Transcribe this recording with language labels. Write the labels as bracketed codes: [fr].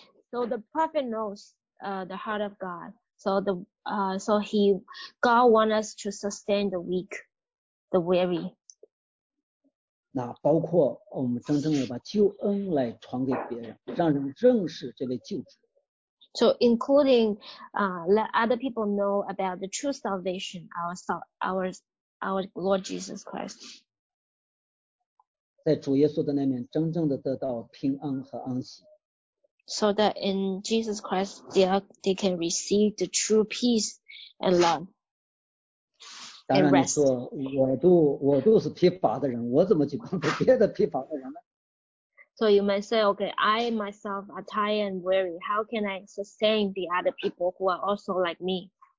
[en] So the prophet knows the heart of God. So the God wants us to sustain the weak, the weary. [zh] 那包括我们真正要把救恩来传给别人，让人认识这位救主。 [en] So including let other people know about the true salvation, our Lord Jesus Christ. [zh] 在主耶稣的那边真正的得到平安和安息。 [en] So that in Jesus Christ, they can receive the true peace and love. [zh] 当然你说我都是疲乏的人，我怎么去帮助别的疲乏的人呢？ [en] So you might say, okay, I myself are tired and weary. How can I sustain the other people who are also like me?